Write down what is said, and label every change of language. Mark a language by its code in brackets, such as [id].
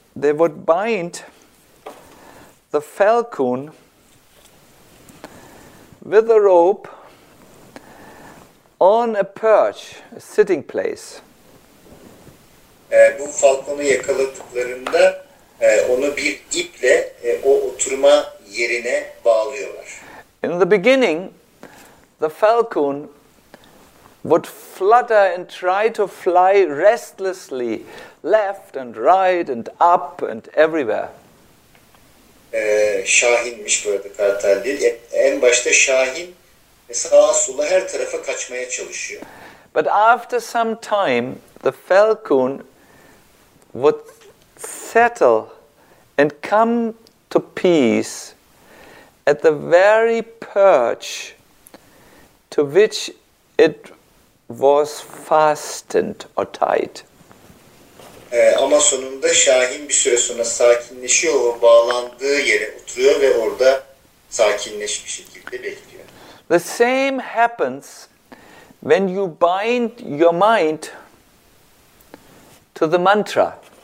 [en] They would bind the falcon with a rope on a perch, a sitting place. [tr] Bu falconu yakaladıklarında onu bir iple o oturma yerine bağlıyorlar. [en] In the beginning, the falcon would flutter and try to fly restlessly left and right and up and everywhere. [tr] Şahinmiş bu arada, kartal değil. En başta şahin sağa sola her tarafa kaçmaya çalışıyor. [en] But after some time, the falcon would settle and come to peace at the very perch to which it was fastened or tied. [tr] Ama sonunda şahin bir süre sonra sakinleşiyor, o bağlandığı yere oturuyor ve orada sakinleşmiş şekilde bekliyor. [en] The same happens when you bind your mind to the mantra.